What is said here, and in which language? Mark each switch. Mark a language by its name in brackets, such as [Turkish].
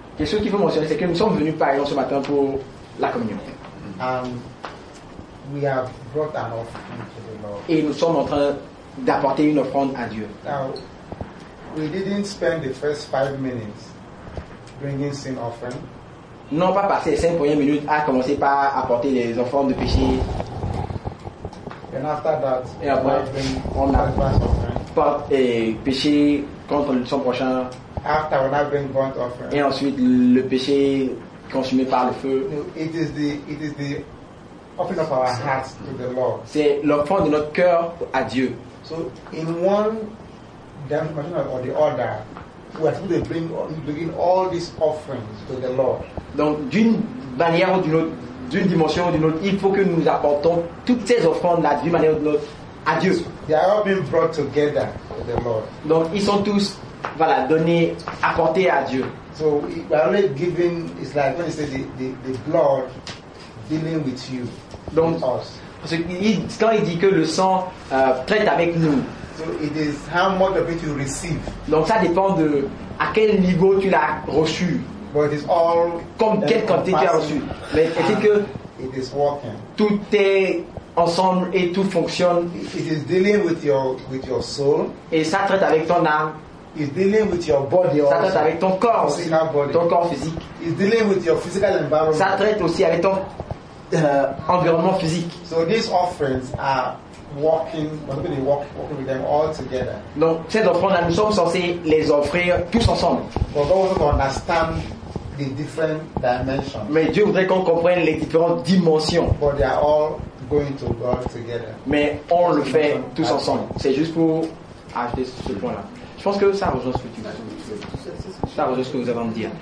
[French] Et ce qu'il faut mentionner, c'est que nous sommes venus par exemple ce matin pour la communion. [English] We have brought an offering to the Lord. [French] Et nous sommes en train d'apporter une offrande à Dieu. [English] Now, we didn't spend the first 5 minutes bringing sin offering. [French] Non, pas passer les 5 premières minutes à commencer par apporter les offrandes de péché. [English] And after that, [French] et après, on a porté péché contre son prochain. [English] After [French] on a [English] bring burnt offering. [French] Et ensuite, le péché consumé par le feu. [English] It is the offering of our hearts to the Lord. [French] C'est l'offrande de notre cœur à Dieu. [English] So in one dimension or the other, we are supposed to bring all these offerings to the Lord. [French] Donc d'une manière ou d'une autre, d'une dimension ou d'une autre, il faut que nous apportons toutes ces offrandes là d'une manière ou d'une autre à Dieu. [English] They are all being brought together to the Lord. [French] Donc ils sont tous voilà donnés, apportés à Dieu. [English] So we are only giving, it's like when you say the blood dealing with you. [French] Donc [English] with us. [French] Parce que quand il dit que le sang traite avec nous. [English] So it is how much of it you receive. [French] Donc ça dépend de à quel niveau tu l'as reçu. [English] But it is all [French] comme quelle quantité tu as reçu. Mais est-ce que [English] it is working. [French] Tout est ensemble et tout fonctionne. [English] It is dealing with your soul. [French] Et ça traite avec ton âme. [English] It's dealing with your body [French] ça traite [English] also. [French] Avec ton corps, ton corps physique. [English] It's dealing with your physical environment. [French] Ça traite aussi avec ton environnement physique. [English] So these offerings are working with them all together. [French] Donc ces offrandes, nous sommes censés les offrir tous ensemble. [English] But God wants to understand the different dimensions. [French] Mais Dieu voudrait qu'on comprenne les différentes dimensions. [English] But they are all going to God together. [French] Mais on le fait tous ensemble. C'est juste pour ajouter ce point-là. Je pense que ça rejoint ce que tu dis. Ça rejoint ce que vous avez à me dire.